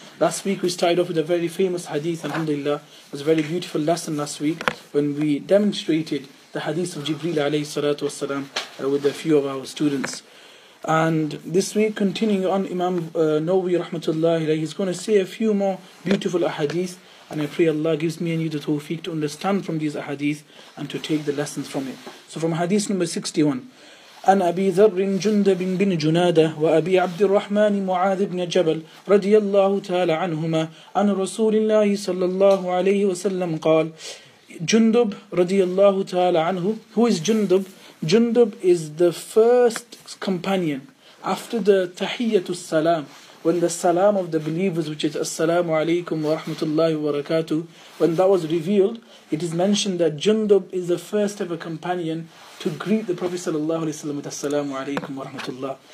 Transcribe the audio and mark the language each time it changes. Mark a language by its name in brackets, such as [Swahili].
[English] Last week we started off with a very famous hadith, alhamdulillah. It was a very beautiful lesson last week when we demonstrated the hadith of Jibreel alayhi salatu wasalam with a few of our students. And this week, continuing on, Imam Nawawi rahmatullahi alayhi, he's going to say a few more beautiful ahadith, and I pray Allah gives me and you the tawfiq to understand from these ahadith and to take the lessons from it. So from hadith number 61, [Arabic] أن أبي ذر جندب بن جنادة وأبي عبد الرحمن معاذ بن جبل رضي الله تعالى عنهما عن رسول الله صلى الله عليه وسلم قال جندب رضي الله تعالى عنه. [English] Who is جندب? جندب is the first companion after the تحية السلام, when the salam of the believers, which is [Arabic] السلام عليكم ورحمة الله وبركاته, [English] when that was revealed, it is mentioned that جندب is the first ever companion to greet the Prophet sallallahu alaihi wasallam with assalamu alaykum wa rahmatullah.